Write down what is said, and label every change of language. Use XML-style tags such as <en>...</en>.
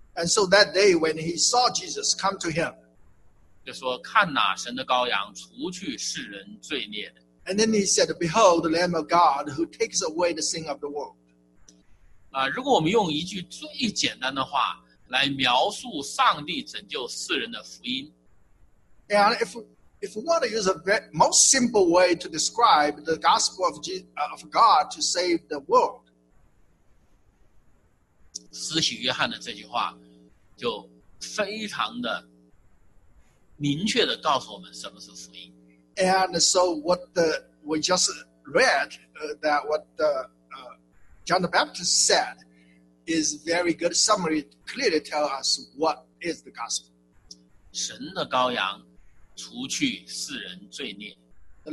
<en>And so that day when he saw Jesus come to him,</en> <zh>就说看哪，神的羔羊，除去世人罪孽的。</zh> <en>And then he said, "Behold, the Lamb of God who takes away the sin of the world."</en> <zh>如果我们用一句最简单的话。来描述上帝拯救世人的福音。</zh> <en>And if we want to use a most simple way to describe the gospel of God to save the world,</en> <zh>施洗约翰的这句话就非常的明确地告诉我们什么是福音。</zh> <en>And so what we just read, that what John the Baptist said, is very good summary to clearly tell us what is the gospel.</en> <zh>神的羔羊除去世人罪孽。</zh> <en>The</en>